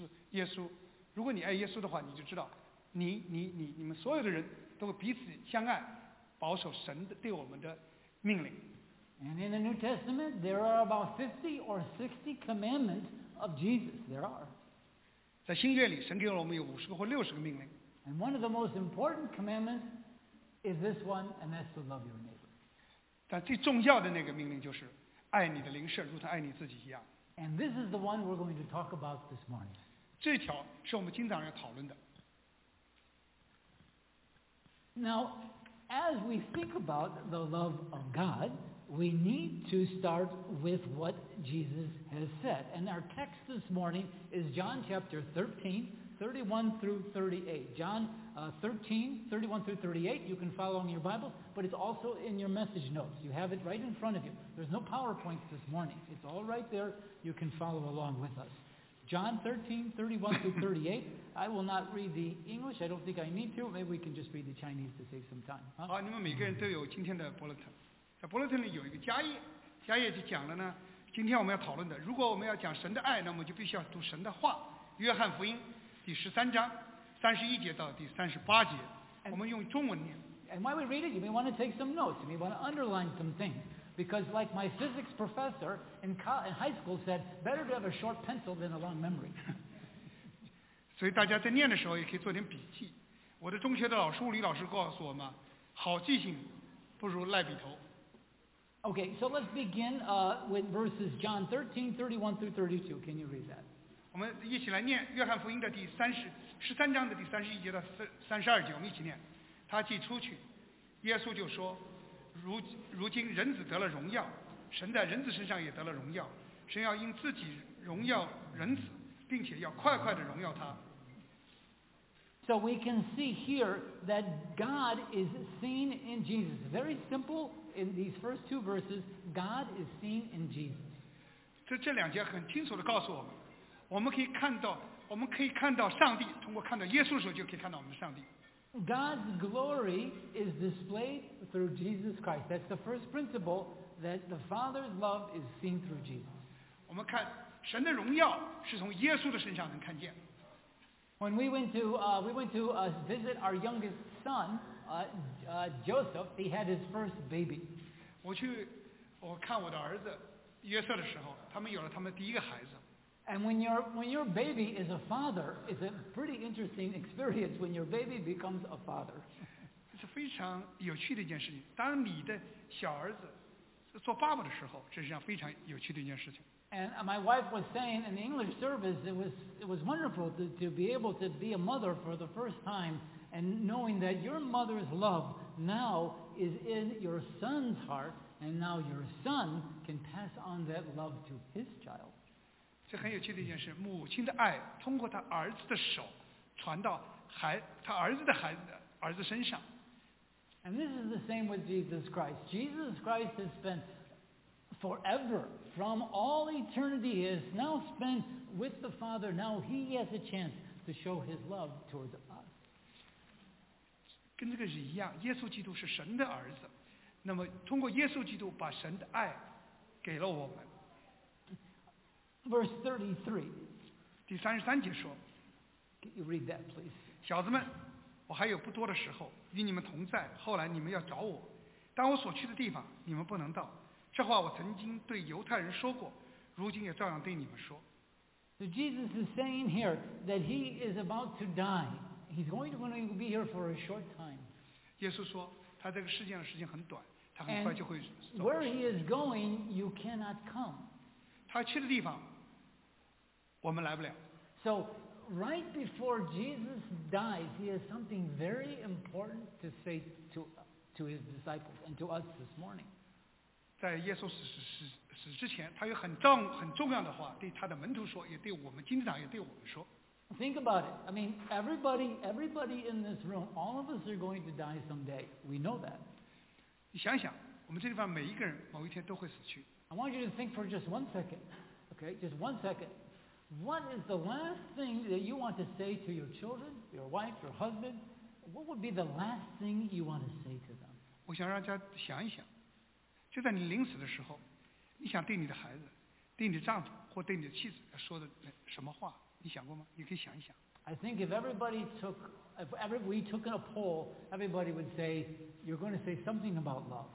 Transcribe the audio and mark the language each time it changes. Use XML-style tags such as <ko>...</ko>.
<zh>耶稣，如果你爱耶稣的话，你就知道，你们所有的人都会彼此相爱，保守神的对我们的命令。</zh> <en>And in the New Testament, there are about 50 or 60 commandments of Jesus. There are.</en> <zh>在新约里，神给了我们有50或60个命令。</zh> <en>And one of the most important commandments is this one, and that's to love your neighbor.</en> <zh>但最重要的那个命令就是，爱你的邻舍如同爱你自己一样。</zh> <en>And this is the one we're going to talk about this morning.</en> <zh>这条是我们经常要讨论的。</zh> <en>Now, as we think about the love of God, we need to start with what Jesus has said. And our text this morning is John chapter 13, 31 through 38. John 13, 31 through 38. You can follow in your Bible, but it's also in your message notes. You have it right in front of you. There's no PowerPoint this morning. It's all right there. You can follow along with us. John 13, 31 through 38. I will not read the English. I don't think I need to. Maybe we can just read the Chinese to save some time. Huh?</en> <zh>好，你们每个人都有今天的 bulletin。在 bulletin 里有一个加页，加页就讲了呢。今天我们要讨论的，如果我们要讲神的爱，那么就必须要读神的话。约翰福音第13章31节到第38节，我们用中文念。</zh> <en>And while we read it, you may want to take some notes. You may want to underline some things. Because like my physics professor in high school said, better to have a short pencil than a long memory.</en> <zh>所以大家在念的时候也可以做点笔记。我的中学的老师物理老师告诉我们，好记性不如赖笔头。</zh> <en>Okay, so let's begin with verses John 13, 31 through 32. Can you read that?</en> <zh>我们一起来念约翰福音的第三十章的第31节到32节，我们一起念。他既出去，耶稣就说，如今人子得了荣耀，神在人子身上也得了荣耀，神要因自己荣耀人子，并且要快快地荣耀他。</zh> <en>So we can see here that God is seen in Jesus. Very simple, in these first two verses, God is seen in Jesus.</en> <zh>这两节很清楚地告诉我们，我们可以看到上帝，通过看到耶稣的时候就可以看到我们的上帝。</zh> <en>God's glory is displayed through Jesus Christ. That's the first principle, that the Father's love is seen through Jesus.</en> <zh>我们看神的荣耀是从耶稣的身上能看见。</zh> <en>When we went to visit our youngest son, Joseph, he had his first baby.</en> <zh>我看我的儿子约瑟的时候，他们有了他们第一个孩子。</zh> <en>And when your baby is a father, it's a pretty interesting experience when your baby becomes a father.</en> <zh>这是非常有趣的一件事情。当你的小儿子做爸爸的时候，这是件非常有趣的一件事情。</zh> <en>And my wife was saying in the English service, it was wonderful to be able to be a mother for the first time and knowing that your mother's love now is in your son's heart and now your son can pass on that love to his child.</en> <zh>这很有趣的一件事，母亲的爱通过她儿子的手传到她儿子的儿子身上。</zh> <en>And this is the same with Jesus Christ. Jesus Christ has spent forever, from all eternity, he has now spent with the Father. Now he has a chance to show his love towards us.</en> <zh>跟这个是一样，耶稣基督是神的儿子，那么通过耶稣基督把神的爱给了我们。</zh> <en>Verse 33.</en> <zh>第33节说。</zh> <en>Can you read that, please?</en> <zh>小子们，我还有不多的时候与你们同在，后来你们要找我，但我所去的地方你们不能到。这话我曾经对犹太人说过，如今也照样对你们说。</zh> <en>So Jesus is saying here that he is about to die. He's going to be here for a short time.</en> <zh>耶稣说，他这个世界上时间很短，他很快就会走。</zh> <en>And where he is going, you cannot come.</en> <zh>他去的地方，我们来不了。</zh> <en>So right before Jesus dies, he has something very important to say to his disciples and to us this morning.</en> <zh>在耶稣死之前，他有很重要的话对他的门徒说，也对我们今天早上也对我们说。</zh> <en>Think about it. I mean, everybody in this room, all of us are going to die someday. We know that.</en> <zh>你想想，我们这地方每一个人某一天都会死去。</zh> <en>I want you to think for just one second. Okay, just one second. What is the last thing that you want to say to your children, your wife, your husband? What would be the last thing you want to say to them?</en> <zh>我想让大家想一想。就在你临死的时候，你想对你的孩子、对你的丈夫或对你的妻子说的什么话，你想过吗？你可以想一想。</zh> <en>I think if we took a poll, everybody would say you're going to say something about love.</en>